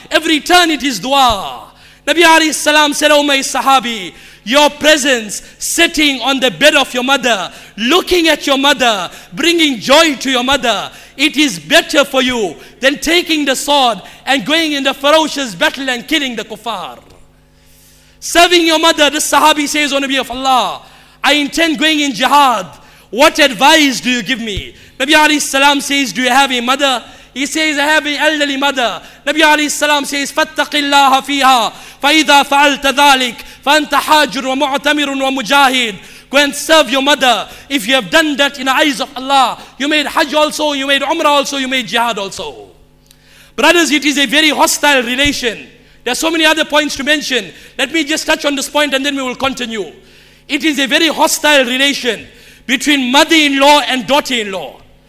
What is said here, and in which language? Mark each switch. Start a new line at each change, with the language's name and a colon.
English: Every turn, it is dua. Nabi Ali Salam said, oh my Sahabi, your presence sitting on the bed of your mother, looking at your mother, bringing joy to your mother, it is better for you than taking the sword and going in the ferocious battle and killing the kuffar. Serving your mother, the Sahabi says, O Nabi of Allah, I intend going in jihad. What advice do you give me? Nabi Ali Salam says, do you have a mother? He says, I have an elderly mother. Nabi Ali Salam says,
Arabic: فَاتَّقِ اللَّهَ فِيهَا فَإِذَا فَعَلْتَ ذَلِكَ فَأَنْتَ حَاجُرٌ وَمُعْتَمِرٌ وَمُجَاهِدٌ.
English: Go and serve your mother. If you have done that in the eyes of Allah, you made Hajj also, you made Umrah also, you made Jihad also. Brothers, it is a very hostile relation. There are so many other points to mention. Let me just touch on this point and then we will continue. It is a very hostile relation between mother-in-law and daughter-in-law.